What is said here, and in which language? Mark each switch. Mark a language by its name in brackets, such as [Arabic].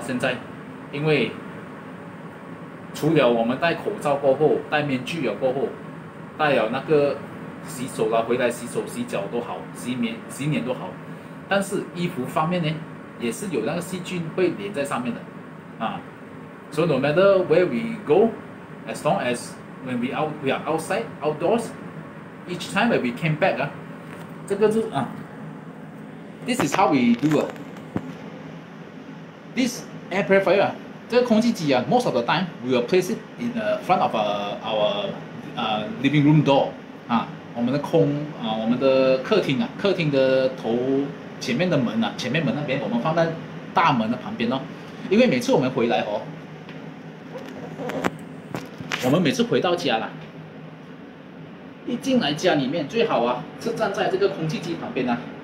[Chinese] 现在，因为除了我们戴口罩过后、戴面具了过后，戴了那个洗手了回来洗手、洗脚都好，洗脸都好，但是衣服方面呢，也是有那个细菌会粘在上面的啊。 [English] So no matter where we go, as long as when we are outside outdoors, each time when we came back [Chinese] 啊，这个是啊。 [English] This is how we do it. This air purifier, [Chinese] 这个空气机啊 [English] most of the time, we will place it in the front of our living room door. [Chinese] 啊，我们的空啊，我们的客厅啊，客厅的头前面的门啊，前面门那边我们放在大门的旁边哦。因为每次我们回来哦，我们每次回到家了，一进来家里面最好啊，是站在这个空气机旁边啊。